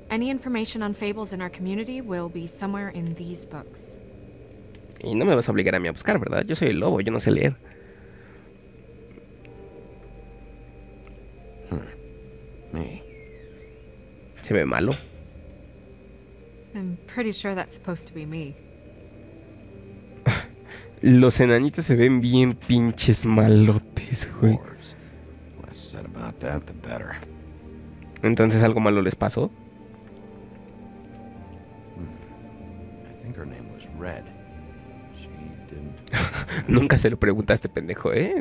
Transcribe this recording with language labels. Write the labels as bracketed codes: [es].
[en] Any information on fables in our community will be somewhere in these books. [es] Y no me vas a obligar a mí a buscar, ¿verdad? Yo soy el lobo, yo no sé leer. Se ve malo. [en] I'm pretty sure that's supposed to be me. [es] Los enanitos se ven bien pinches malotes, güey. [en] Less said about that, the better. [es] Entonces algo malo les pasó. [en] I think her name was Red. She didn't... [es] Nunca se lo pregunta a este pendejo, ¿eh?